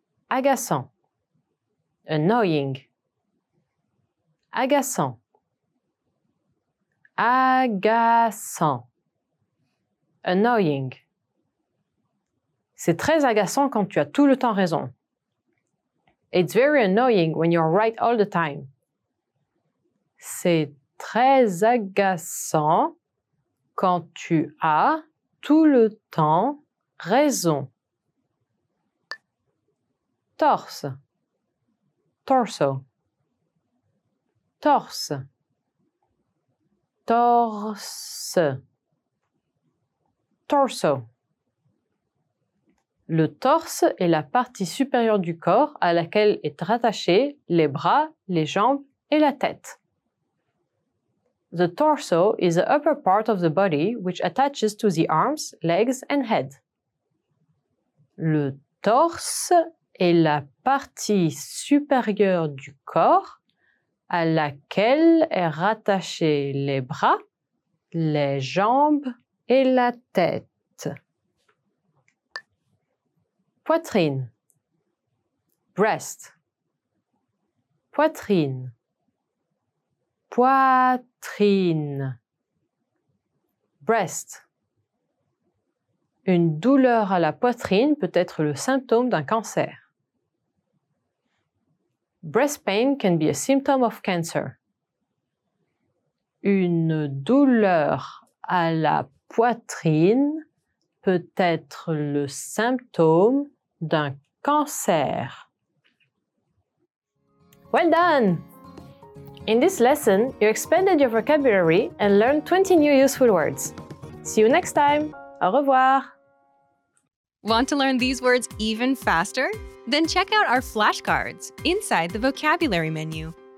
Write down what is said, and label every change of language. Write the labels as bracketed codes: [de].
[fr] Agaçant. Annoying. Agaçant. Agaçant. Annoying. C'est très agaçant quand tu as tout le temps raison. [en] It's very annoying when you're right all the time. [fr] C'est très agaçant quand tu as tout le temps raison. Torse. Torso. Torse. Torse. Torso. Le torse est la partie supérieure du corps à laquelle est rattaché les bras, les jambes et la tête. [en] The torso is the upper part of the body which attaches to the arms, legs and head. [fr] Le torse est la partie supérieure du corps à laquelle est rattaché les bras, les jambes et la tête. Poitrine. Breast. Poitrine. Poitrine. Breast. Une douleur à la poitrine peut être le symptôme d'un cancer. [en] Breast pain can be a symptom of cancer. [fr] Une douleur à la poitrine peut être le symptôme d'un cancer. [en] Well done! In this lesson, you expanded your vocabulary and learned 20 new useful words. See you next time! [fr] Au revoir! [en] Want to learn these words even faster? Then check out our flashcards inside the vocabulary menu.